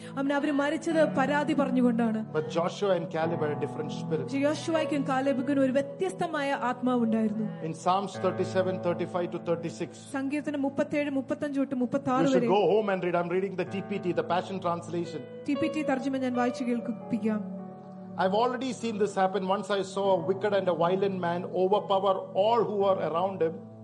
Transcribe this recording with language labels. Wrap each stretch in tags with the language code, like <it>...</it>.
<ml>അവനെ അവർ മരിച്ചത് പരാതി പറഞ്ഞുകൊണ്ടാണ്.</ml> <en>But Joshua and Caleb had a different spirit.</en> <ml>യോശുവയ്ക്കും കാലേബിനും ഒരു വ്യത്യസ്തമായ ആത്മാവ് ഉണ്ടായിരുന്നു.</ml> <en>In Psalms 37:35-36.</en> <ml>സംഗീതം 37:35-36.</ml> <en>You should go home and read. I'm reading the TPT, the Passion Translation.</en> <ml>TPT തർജ്ജമ ഞാൻ വായിച്ചു കേൾപ്പിക്കാം.</ml> <en>I've already seen this happen. Once I saw a wicked and a violent man overpower all who were around him.</en>